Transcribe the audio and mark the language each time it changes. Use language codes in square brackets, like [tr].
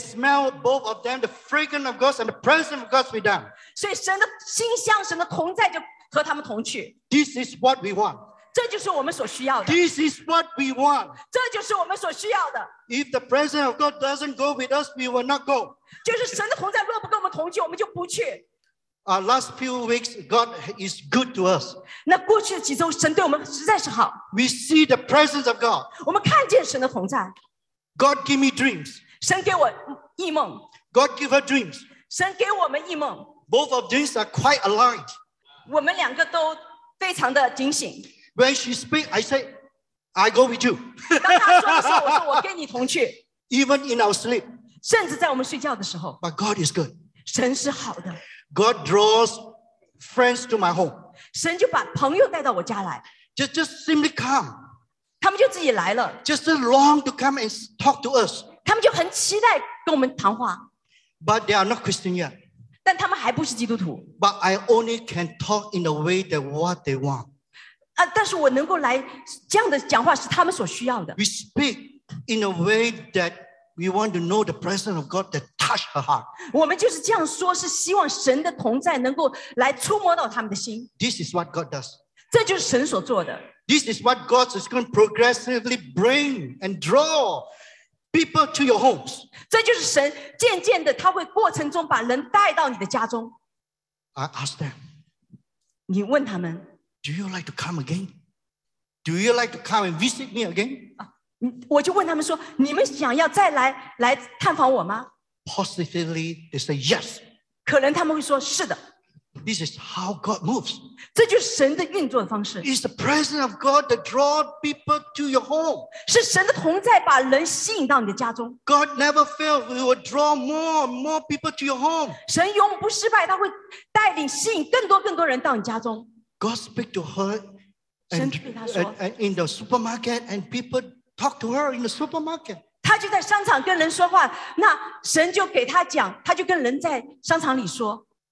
[en] smell both of them, the fragrance of God and the presence of God with them. [zh] 所以神的馨香，神的同在就和他们同去。 [en] This is what we want. [zh] 这就是我们所需要的。 [en] This is what we want. [zh] 这就是我们所需要的。 [en] If the presence of God doesn't go with us, we will not go. [zh] 就是神的同在若不跟我们同去，我们就不去。 [en] Our last few weeks, God is good to us. [zh] 那过去的几周，神对我们实在是好。 [en] We see the presence of God. [zh] 我们看见神的同在。 [en] God give me dreams. [zh] 神给我异梦。 [en] God give her dreams. [zh] 神给我们异梦。 [en] Both of these are quite aligned. [zh] 我们两个都非常的警醒。 [en] When she speak, I say, I go with you. [zh] 当她说的时候，我说我跟你同去。 [en] Even in our sleep. [zh] 甚至在我们睡觉的时候。 [en] But God is good. [zh] 神是好的。 [en] God draws friends to my home. [zh] 神就把朋友带到我家来。 [en] Just simply come. [zh] 他们就自己来了。 [en] Just long to come and talk to us. [zh] 他们就很期待跟我们谈话。 [en] But they are not Christian yet. [zh] 但他们还不是基督徒。 [en] But I only can talk in the way that what they want. [zh] 但是我能够来这样的讲话是他们所需要的。 [en] We speak in a way that we want to know the presence of God that touch her heart. [zh] 我们就是这样说，是希望神的同在能够来触摸到他们的心。 [en] This is what God does. [zh] 这就是神所做的。 [en] This is what God is going to progressively bring and draw people to your homes. [zh] 这就是神渐渐的，他会过程中把人带到你的家中。 [en] I ask them. [zh] 你问他们。 [en] Do you like to come again? Do you like to come and visit me again? [zh] 我就问他们说，你们想要再来探访我吗？ [en] Positively, they say yes. [zh] 可能他们会说是的。 [en] This is how God moves. [zh] 这就是神的运作的方式。 [en] It's the presence of God that draws people to your home. [zh] 是神的同在把人吸引到你的家中。 [en] God never fails. He will draw more and more people to your home. [zh] 神永不失败，他会带领吸引更多更多人到你家中。 [en] God speaks to her and in the supermarket, and people talk to her in the supermarket. [zh] 他就在商场跟人说话，那神就给他讲，他就跟人在商场里说。